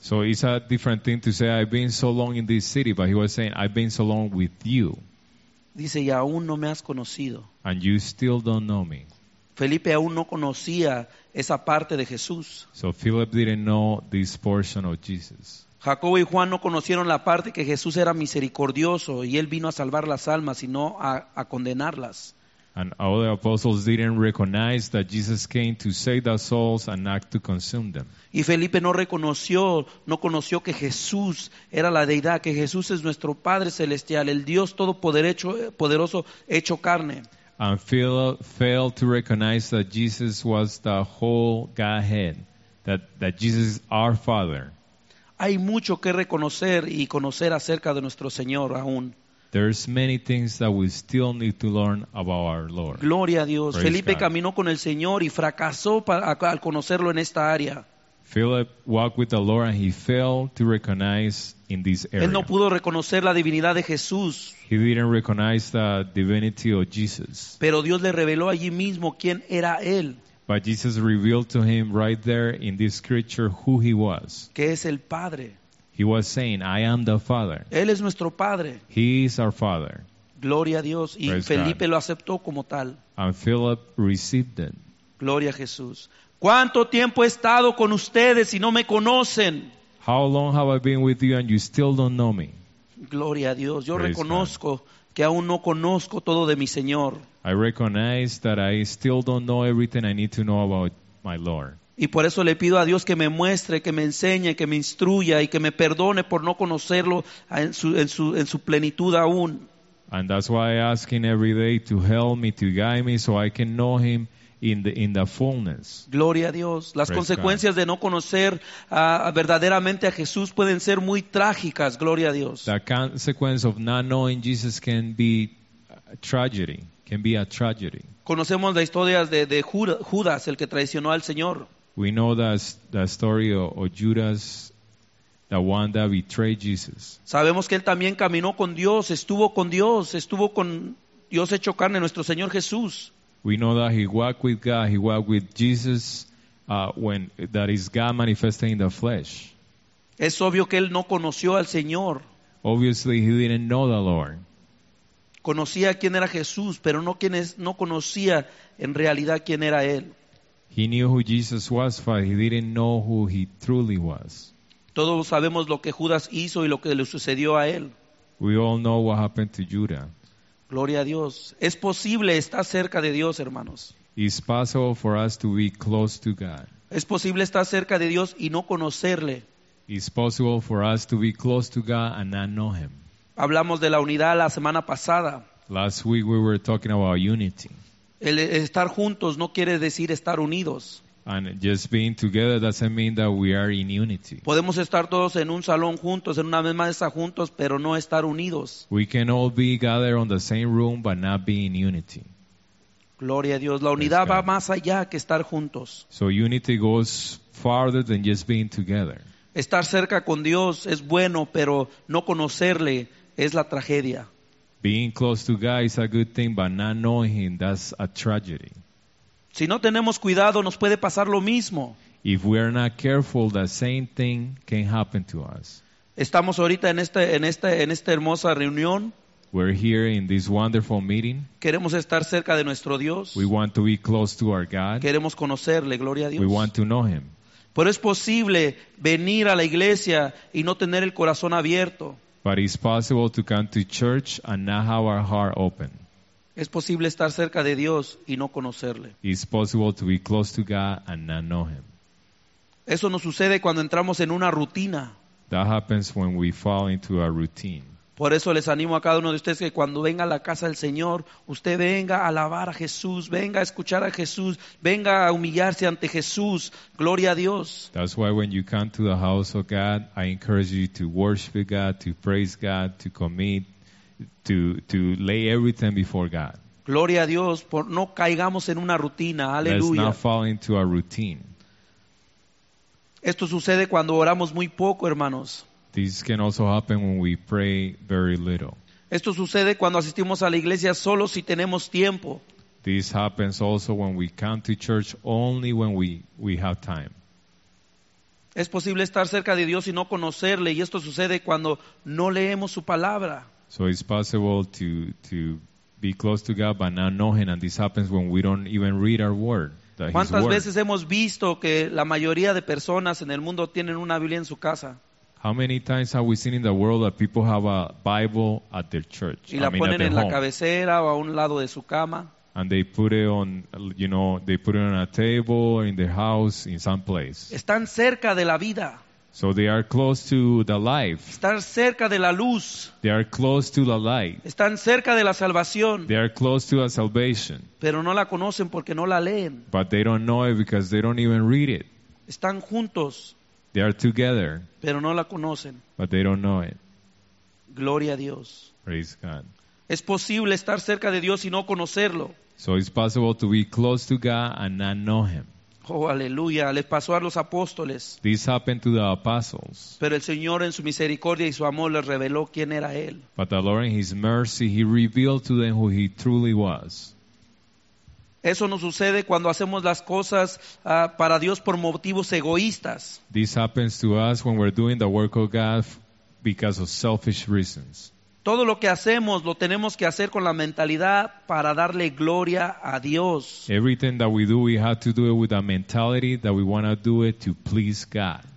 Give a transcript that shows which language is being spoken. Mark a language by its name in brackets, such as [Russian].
[English] So it's a different thing to say I've been so long in this city, but he was saying I've been so long with you. [Spanish] Dice, y aún no me has conocido. [English] And you still don't know me. [Spanish] Felipe aún no conocía esa parte de Jesús. [English] So Philip didn't know this portion of Jesus. [Spanish] Jacobo y Juan no conocieron la parte que Jesús era misericordioso y él vino a salvar las almas y no a condenarlas. [English] And all the apostles didn't recognize that Jesus came to save the souls and not to consume them. [Spanish] Y Felipe no conoció que Jesús era la deidad, que Jesús es nuestro Padre celestial, el Dios todopoderoso hecho carne. [English] And Philip failed to recognize that Jesus was the whole Godhead, that Jesus is our Father. [Spanish] Hay mucho que reconocer y conocer acerca de nuestro Señor aún. [English] There's many things that we still need to learn about our Lord. [Spanish] Gloria a Dios. [English] Praise [Spanish] Felipe [English] God. [Spanish] Caminó con el Señor y fracasó al conocerlo en esta área. [English] Philip walked with the Lord and he failed to recognize in this area. [Spanish] Él no pudo reconocer la divinidad de Jesús. [English] He didn't recognize the divinity of Jesus. [Spanish] Pero Dios le reveló allí mismo quién era él. [English] But Jesus revealed to him right there in this scripture who he was. [Spanish] Que es el Padre. [English] He was saying, I am the Father. [Spanish] Él es nuestro Padre. [English] He is our Father. [Spanish] Gloria a Dios. Y [English] Praise [Spanish] Felipe [English] God. [Spanish] Lo aceptó como tal. [English] And Philip received it. [Spanish] Gloria a Jesús. ¿Cuánto tiempo he estado con ustedes y no me conocen? [English] How long have I been with you and you still don't know me? [Spanish] Gloria a Dios. Yo [English] Praise [Spanish] reconozco [English] God. [Spanish] Que aún no conozco todo de mi Señor. [English] I recognize that I still don't know everything I need to know about my Lord. [Spanish] Y por eso le pido a Dios que me muestre, que me enseñe, que me instruya y que me perdone por no conocerlo en su plenitud aún. [English] And that's why I ask him every day to help me, to guide me, so I can know him in the fullness. [Spanish] Gloria a Dios. Las [English] Praise [Spanish] consecuencias [English] God. [Spanish] De no conocer verdaderamente a Jesús pueden ser muy trágicas. Gloria a Dios. [English] The consequence of not knowing Jesus can be tragedy. Can be a tragedy. [Spanish] Conocemos las historias de Judas, el que traicionó al Señor. [English] We know the story of Judas, the one that betrayed Jesus. [Spanish] Sabemos que él también caminó con Dios, estuvo con Dios, estuvo con Dios hecho carne, nuestro Señor Jesús. [English] We know that he walked with God, he walked with Jesus, when that is God manifesting in the flesh. [Spanish] Es obvio que él no conoció al Señor. [English] Obviously he didn't know the Lord. [Spanish] Conocía quién era Jesús, pero no conocía en realidad quién era él. [English] He knew who Jesus was, but he didn't know who he truly was. [Spanish] Todos sabemos lo que Judas hizo y lo que le sucedió a él. [English] We all know what happened to Judah. [Spanish] Gloria a Dios. Es posible estar cerca de Dios, hermanos. [English] It's possible for us to be close to God. [Spanish] Es posible estar cerca de Dios y no conocerle. [English] It's possible for us to be close to God and not know him. [Spanish] Hablamos de la unidad la semana pasada. [English] Last week we were talking about unity. [Spanish] El estar juntos no quiere decir estar unidos. [English] And just being together doesn't mean that we are in unity. [Spanish] Podemos estar todos en un salón juntos, en una misma mesa juntos, pero no estar unidos. [English] We can all be gathered on the same room but not be in unity. [Spanish] Gloria a Dios. La unidad va más allá que estar juntos. [English] So unity goes farther than just being together. [Spanish] Estar cerca con Dios es bueno, pero no conocerle es la tragedia. [English] Being close to God is a good thing, but not knowing him, that's a tragedy. [Spanish] Si no tenemos cuidado, nos puede pasar lo mismo. [English] If we are not careful, the same thing can happen to us. [Spanish] Estamos ahorita en esta hermosa reunión. [English] We're here in this wonderful meeting. [Spanish] Queremos estar cerca de nuestro Dios. [English] We want to be close to our God. [Spanish] Queremos conocerle, gloria a Dios. [English] We want to know him. [Spanish] Pero es posible venir a la iglesia y no tener el corazón abierto. [English] But it's possible to come to church and not have our heart open. [Spanish] Es posible estar cerca de Dios y no conocerle. [English] It's possible to be close to God and not know Him. [Spanish] Eso nos sucede cuando entramos en una rutina. [English] That happens when we fall into a routine. [Spanish] Por eso les animo a cada uno de ustedes que cuando venga a la casa del Señor, usted venga a alabar a Jesús, venga a escuchar a Jesús, venga a humillarse ante Jesús. Gloria a Dios. [English] That's why when you come to the house of God, I encourage you to worship God, to praise God, to commit, to lay everything before God. [Spanish] Gloria a Dios, por no caigamos en una rutina. Aleluya. [English] Let's not fall into a routine. [Spanish] Esto sucede cuando oramos muy poco, hermanos. [English] This can also happen when we pray very little. [Spanish] Esto sucede cuando asistimos a la iglesia solo si tenemos tiempo. [English] This happens also when we come to church only when we have time. [Spanish] Es posible estar cerca de Dios y no conocerle, y esto sucede cuando no leemos su palabra. [English] So it's possible to be close to God but not know Him, and this happens when we don't even read our word. [Spanish] ¿Cuántas veces hemos visto que la mayoría de personas en el mundo tienen una Biblia en su casa? [English] How many times have we seen in the world that people have a Bible at their church? [Spanish] Y la ponen en la cabecera o a un lado de su cama. [English] And they put it on, you know, they put it on a table or in their house in some place. [Spanish] Están cerca de la vida. [English] So they are close to the life. [Spanish] Están cerca de la luz. [English] They are close to the light. [Spanish] Están cerca de la salvación. [English] They are close to a salvation. [Spanish] Pero no la conocen porque no la leen. [English] But they don't know it because they don't even read it. [Spanish] Están juntos. [English] They are together. [Spanish] Pero no la conocen. [English] But they don't know it. [Spanish] Gloria a Dios. [English] Praise God. [Spanish] Es posible estar cerca de Dios y no conocerlo. [English] So it's possible to be close to God and not know Him. [Spanish] Oh, aleluya. Les pasó a los apóstoles. [English] This happened to the apostles. [Spanish] Pero el Señor en su misericordia y su amor les reveló quién era Él. [English] But the Lord in His mercy, He revealed to them who He truly was. [Spanish] Eso nos sucede cuando hacemos las cosas para Dios por motivos egoístas. [English] This happens to us when we're doing the work of God because of selfish reasons. [Spanish] Todo lo que hacemos lo tenemos que hacer con la mentalidad para darle gloria a Dios. [English] Everything that we do, we have to do it with a mentality that we want to do it to please God.